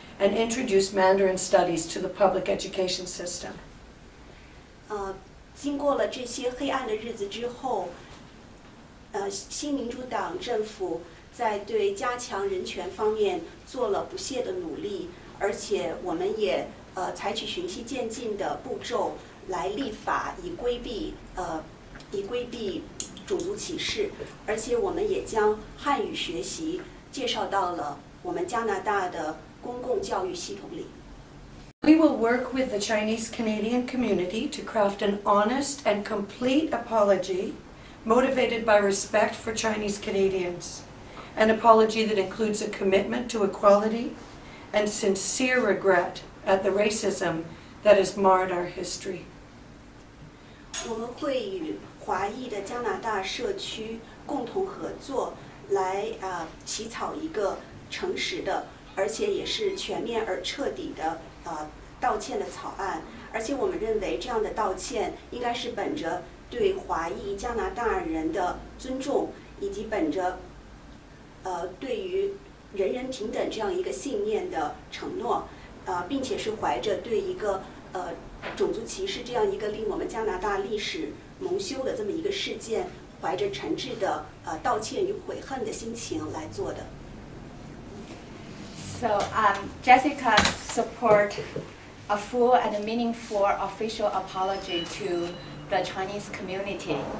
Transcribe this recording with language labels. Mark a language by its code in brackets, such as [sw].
[en] and introduce Mandarin studies to the public education system. [zh] 经过了这些黑暗的日子之后，新民主党政府在对加强人权方面做了不懈的努力，而且我们也采取循序渐进的步骤来立法，以规避种族歧视，而且我们也将汉语学习介绍到了我们加拿大的公共教育系统里。 [en] We will work with the Chinese Canadian community to craft an honest and complete apology motivated by respect for Chinese Canadians. An apology that includes a commitment to equality and sincere regret at the racism that has marred our history. We will work with the Chinese Canadian community to craft an honest and complete apology motivated by respect for Chinese Canadians. [zh] 道歉的草案，而且我们认为这样的道歉应该是本着对华裔加拿大人的尊重，以及本着对于人人平等这样一个信念的承诺，并且是怀着对一个种族歧视这样一个令我们加拿大历史蒙羞的这么一个事件，怀着诚挚的道歉与悔恨的心情来做的。 [en] So, Jessica support a full and meaningful official apology to the Chinese community.